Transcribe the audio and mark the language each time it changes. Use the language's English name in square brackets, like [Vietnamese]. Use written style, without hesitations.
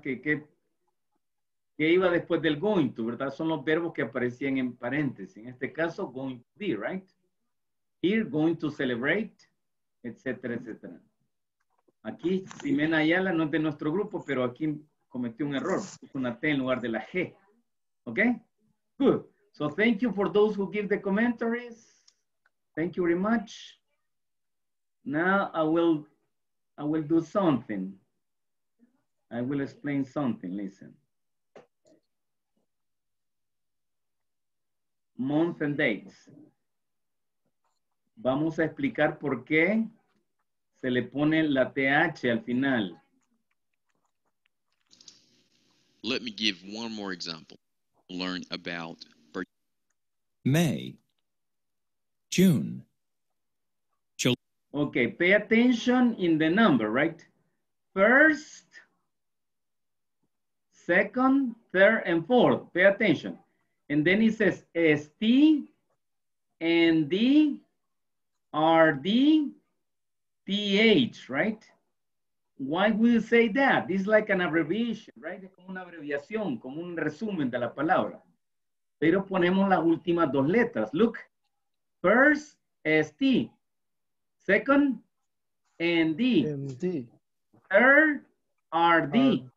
[Spanish] Que iba después del going to, ¿verdad? Son los verbos que aparecían en paréntesis. En este caso, going to be, [English] right? Here, [Spanish] going to celebrate, etcétera, etcétera. Aquí, Ximena Ayala no es de nuestro grupo, pero aquí cometí un error. Es una T en lugar de la G. [English] Okay? Good. So thank you for those who give the commentaries. Thank you very much. Now I will do something. I will explain something. Listen. Month and dates. [Spanish] Vamos a explicar por qué se le pone la TH al final. [English] Let me give one more example. Learn about May, June, July. Okay, pay attention in the number, right? First, second, third, and fourth. Pay attention. And then it says ST and D, RD, TH, right? Why would you say that? This is like an abbreviation, right? [Spanish] Es como una abreviación, como un resumen de la palabra. Pero ponemos las últimas dos letras. [English] Look, first, ST. Second, ND. MD. Third, RD.